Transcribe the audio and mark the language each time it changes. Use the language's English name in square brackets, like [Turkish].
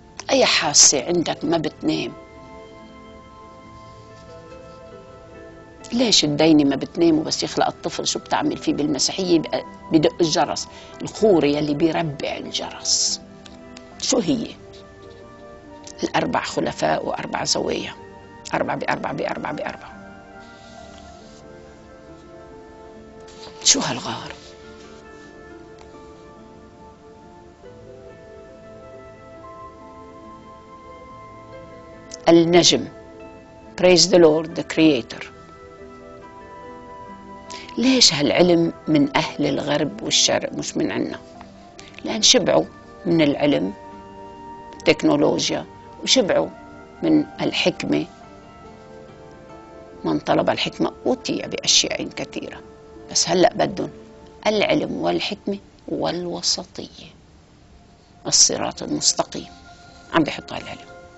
[Arabic] أي حاسة عندك ما بتنام؟ ليش الديني ما بتنام وبس يخلق الطفل شو بتعمل فيه بالمسيحية؟ بدق الجرس، الخوري يلي بيربع الجرس. شو هي؟ الأربع خلفاء وأربع زوايا، أربع بأربع بأربع بأربع. شو هالغار؟ النجم، [English] praise the Lord the creator. [Arabic] ليش هالعلم من أهل الغرب والشرق مش من عنا؟ لأن شبعوا من العلم التكنولوجيا، وشبعوا من الحكمة. من طلب الحكمة أوتي بأشياء كثيرة، بس هلأ بدهم العلم والحكمة والوسطية، الصراط المستقيم. عم بيحطوا هالعلم.